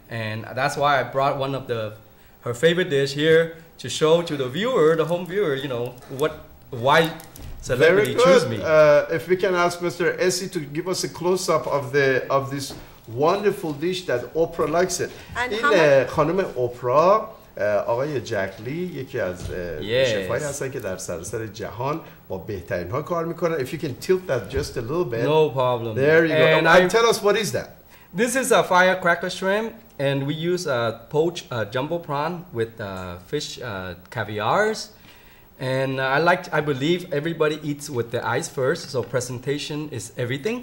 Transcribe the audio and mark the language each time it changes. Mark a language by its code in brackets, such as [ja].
[en] And that's why I brought one of her favorite dish here to show to the viewer, the home viewer, you know, why celebrity choose me. If we can ask Mr. Essie to give us a close up of this wonderful dish that Oprah likes it. And [fa] خانم اوپرا آقای جک لی یکی از شفای هستن که در سراسر جهان با بهترین ها کار میکنن. [en] If you can tilt that just a little bit. No problem. There you go. And tell us, what is that? This is a firecracker shrimp, and we use a poached jumbo prawn with fish caviars. And I believe everybody eats with their eyes first, so presentation is everything.